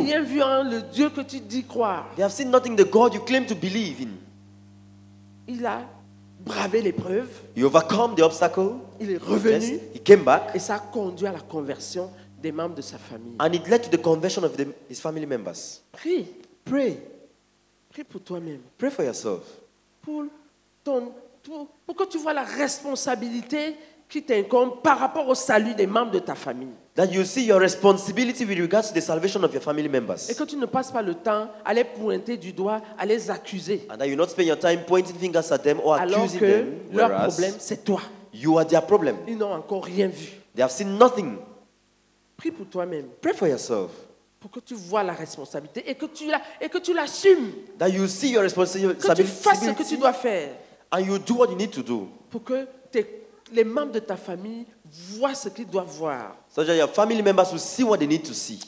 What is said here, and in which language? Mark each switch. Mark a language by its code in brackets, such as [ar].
[fr] Ils n'ont rien vu en le Dieu que tu dis croire. [en] They have seen nothing in the God you claim to believe in. [fr] Il a bravé l'épreuve. [en] He overcome the obstacle. [fr] Il est revenu. [en] Yes, he came back. [fr] Et ça a conduit à la conversion des membres de sa famille. [en] And it led to the conversion of his family members. [fr] Prie. [en] Pray. [fr] Prie pour toi-même. [en] Pray for yourself. [fr] Pour ton pour que tu vois la responsabilité qui t'incombe par rapport au salut des membres de ta famille. [en] That you see your responsibility with regards to the salvation of your family members. [fr] Et que tu ne passes pas le temps à les pointer du doigt, à les accuser. [en] And that you not spend your time pointing fingers at them or [fr] alors [en] accusing [fr] que [en] them. [fr] Leur problème, c'est toi. [en] You are their problem. [fr] Ils n'ont encore rien vu. [en] They have seen nothing. [fr] Prie pour toi-même. [en] Pray for yourself. [fr] pour que tu vois la responsabilité et que tu la et que tu l'assumes. [en] That you see your responsibility. [fr] Que tu fasses ce que tu dois faire. [en] And you do what you need to do. [fr] Pour que les membres de ta famille voient ce qu'ils doivent voir. [en] So that your family members will see what they need to see.